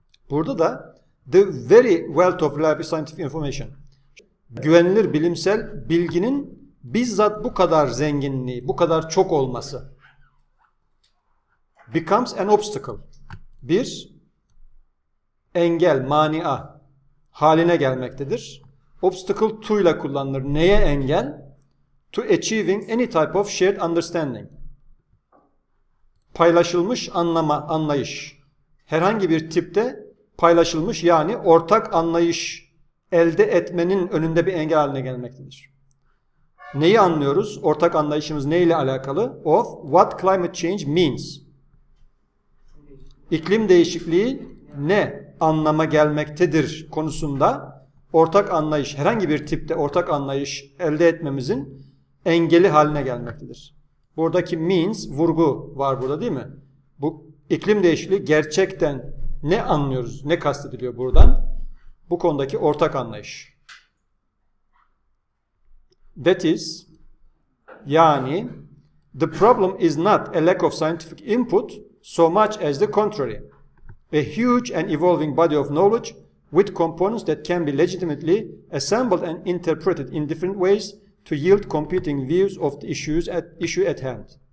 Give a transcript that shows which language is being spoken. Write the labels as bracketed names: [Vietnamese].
[Turkish] Burada da [English] the very wealth of reliable scientific information. [Turkish] Güvenilir bilimsel bilginin bizzat bu kadar zenginliği, bu kadar çok olması [English] becomes an obstacle. [Turkish] Bir engel, mania haline gelmektedir. [English] Obstacle to [Turkish] ile kullanılır. Neye engel? [English] To achieving any type of shared understanding. [Turkish] Paylaşılmış anlama, anlayış. Herhangi bir tipte paylaşılmış, yani ortak anlayış elde etmenin önünde bir engel haline gelmektedir. Neyi anlıyoruz? Ortak anlayışımız neyle alakalı? [English] Of what climate change means. [Turkish] İklim değişikliği ne anlama gelmektedir konusunda ortak anlayış, herhangi bir tipte ortak anlayış elde etmemizin engeli haline gelmektedir. Buradaki means, vurgu var burada değil mi? Bu iklim değişikliği gerçekten ne anlıyoruz, ne kastediliyor buradan? Bu konudaki ortak anlayış. [English] That is, yani the problem is not a lack of scientific input so much as the contrary. A huge and evolving body of knowledge with components that can be legitimately assembled and interpreted in different ways to yield competing views of the issue at hand.